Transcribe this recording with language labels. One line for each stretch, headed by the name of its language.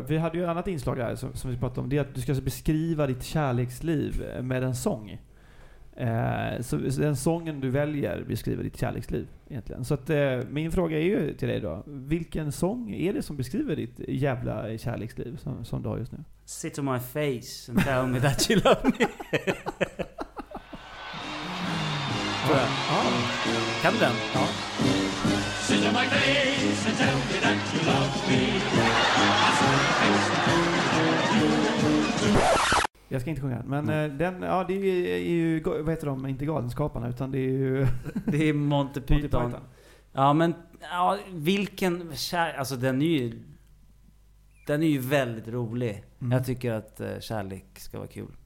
Swedish: Vi hade ju ett annat inslag här som vi pratade om. Det är att du ska beskriva ditt kärleksliv med en sång. Så den sången du väljer beskriver ditt kärleksliv egentligen. Så att, min fråga är ju till dig då. Vilken sång är det som beskriver ditt jävla kärleksliv som du har just nu?
English: Sit on my face and tell me that you love me.
Swedish: Kan du den? Ja.
English: Sit on my face and tell me that you love me.
Swedish: Jag ska inte sjunga, men den, ja, det är ju, vad heter de, inte Galenskaparna, utan det är ju det är Monty Python. Ja, men ja, vilken, alltså den är ju väldigt rolig. Mm. Jag tycker att kärlek ska vara kul.